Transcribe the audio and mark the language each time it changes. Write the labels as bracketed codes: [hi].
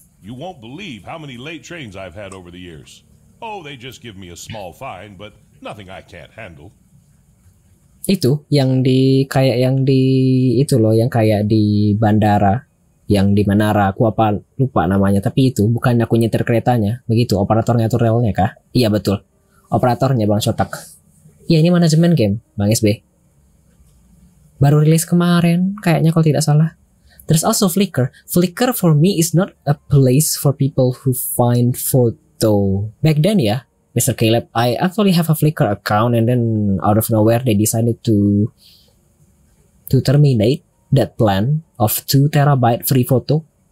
[en] You won't believe how many late trains I've had over the years. Oh, they just give me a small fine, but nothing I can't handle. [id] Itu yang di kayak yang di itu loh, yang kayak di bandara, yang di menara, aku apa lupa namanya, tapi itu bukan aku nyetir keretanya, begitu operatornya atau relnya kah? Iya betul, operatornya Bang Sotak. Iya, ini manajemen game Bang SB, baru rilis kemarin kayaknya kalau tidak salah. [en] There's also Flickr. Flickr for me is not a place for people who find photo. Back then ya, Mr. Caleb, I actually have a Flickr account and then out of nowhere they decided to terminate that plan of 2 terabyte free photo.